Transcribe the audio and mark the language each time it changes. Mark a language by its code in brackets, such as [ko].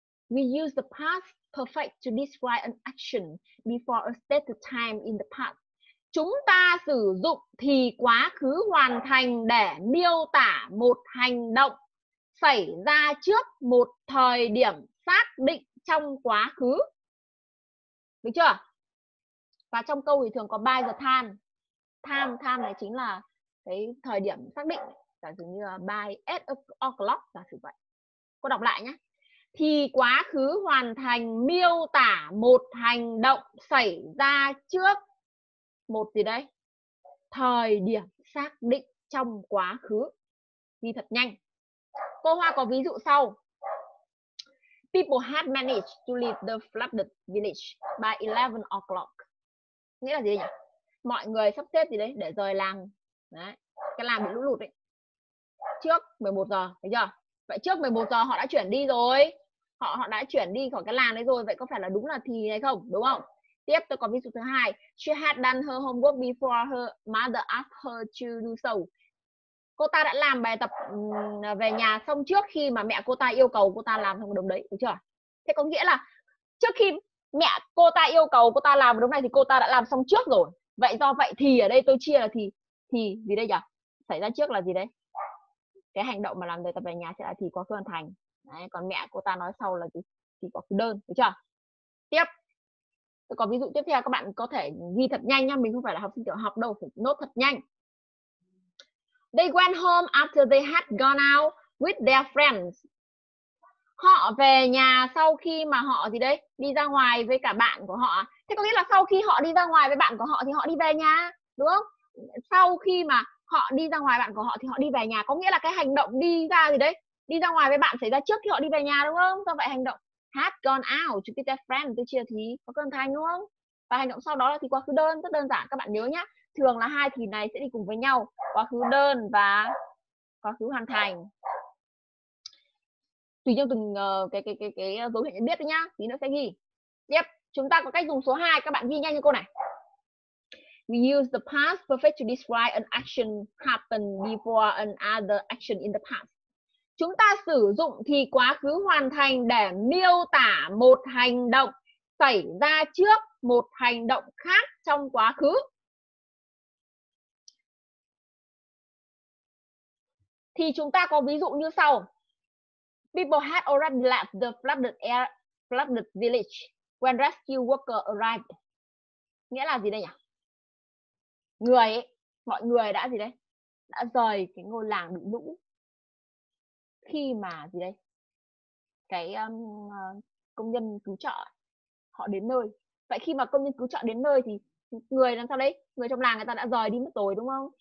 [en] We use the past perfect to describe an action before a state of time in the past. [vi] Chúng ta sử dụng thì quá khứ hoàn thành để miêu tả một hành động xảy ra trước một thời điểm xác định trong quá khứ. Được chưa? Và trong câu thì thường có [en] by the time. [vi] Time này chính là cái thời điểm xác định. Giả sử như là [en] by 8 o'clock, [vi] giả sử vậy. Cô đọc lại nhé. Thì quá khứ hoàn thành miêu tả một hành động xảy ra trước một gì đấy? Thời điểm xác định trong quá khứ. Ghi thật nhanh. Cô Hoa có ví dụ sau. [en] People had managed to leave the flooded village by 11 o'clock. [vi] Nghĩa là gì nhỉ? Mọi người sắp xếp gì đấy để rời làng. Đấy. Cái làng bị lũ lụt ấy. Trước 11 giờ, thấy chưa? Vậy trước 11 giờ họ đã chuyển đi rồi. Họ đã chuyển đi khỏi cái làng đấy rồi. Vậy có phải là đúng là thì hay không? Đúng không? Tiếp tôi có ví dụ thứ hai. [en] She had done her homework before her mother asked her to do so. [vi] Cô ta đã làm bài tập về nhà xong trước khi mà mẹ cô ta yêu cầu cô ta làm xong đúng đấy, đúng chưa? Thế có nghĩa là trước khi mẹ cô ta yêu cầu cô ta làm đúng này thì cô ta đã làm xong trước rồi. Vậy do vậy thì ở đây tôi chia là thì gì đây nhỉ? Xảy ra trước là gì đấy? Cái hành động mà làm bài tập về nhà sẽ là thì quá khứ hoàn thành. Đấy, còn mẹ cô ta nói sau là gì? Thì quá khứ đơn, đúng chưa? Tiếp. Tôi có ví dụ tiếp theo, các bạn có thể ghi thật nhanh nha. Mình không phải là học sinh tiểu học đâu, phải nốt thật nhanh. [en] They went home after they had gone out with their friends. [vi] Họ về nhà sau khi mà họ gì đấy? Đi ra ngoài với cả bạn của họ. Thế có nghĩa là sau khi họ đi ra ngoài với bạn của họ thì họ đi về nhà, đúng không? Sau khi mà họ đi ra ngoài bạn của họ thì họ đi về nhà. Có nghĩa là cái hành động đi ra gì đấy? Đi ra ngoài với bạn xảy ra trước khi họ đi về nhà, đúng không? Do vậy hành động [en] had gone out with their friends, [vi] tôi chia thì có cơ thành, đúng không? Và hành động sau đó là thì quá khứ đơn, rất đơn giản, các bạn nhớ nhé. Thường là hai thì này sẽ đi cùng với nhau, quá khứ đơn và quá khứ hoàn thành. Tùy theo từng cái dấu hiệu nhận biết đấy nhá, tí nữa sẽ ghi. Tiếp, chúng ta có cách dùng số 2, các bạn ghi nhanh như cô này. [en] We use the past perfect to describe an action happened before another action in the past. [vi] Chúng ta sử dụng thì quá khứ hoàn thành để miêu tả một hành động xảy ra trước một hành động khác trong quá khứ. Thì chúng ta có ví dụ như sau. [en] People had already left the flooded village when rescue worker arrived. [vi] Nghĩa là gì đây nhỉ? Người ấy, mọi người đã gì đấy? Đã rời cái ngôi làng bị lũ. Khi mà gì đây? cái công nhân cứu trợ họ đến nơi. Vậy khi mà công nhân cứu trợ đến nơi thì người làm sao đấy, người trong làng người ta đã rời đi mất rồi đúng không?